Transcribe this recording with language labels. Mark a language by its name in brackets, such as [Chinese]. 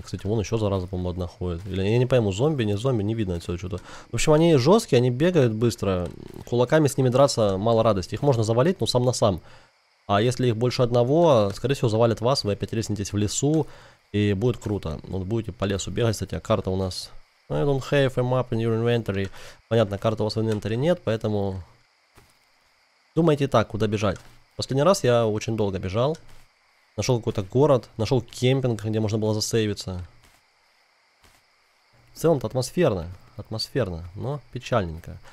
[Russian] Кстати, вон еще зараза, по-моему, одна ходит. Или я не пойму, зомби, не видно отсюда что-то. В общем, они жесткие, они бегают быстро. Кулаками с ними драться мало радости. Их можно завалить, но сам на сам. А если их больше одного, скорее всего, завалят вас, вы опять резнетесь в лесу, и будет круто. Вот будете по лесу бегать, кстати, а карта у нас... [English] I don't have a map in your inventory. [Russian] Понятно, карты у вас в инвентаре нет, поэтому... Думайте так, куда бежать. Последний раз я очень долго бежал. Нашел какой-то город, нашел кемпинг, где можно было засейвиться. В целом-то атмосферно, но печальненько.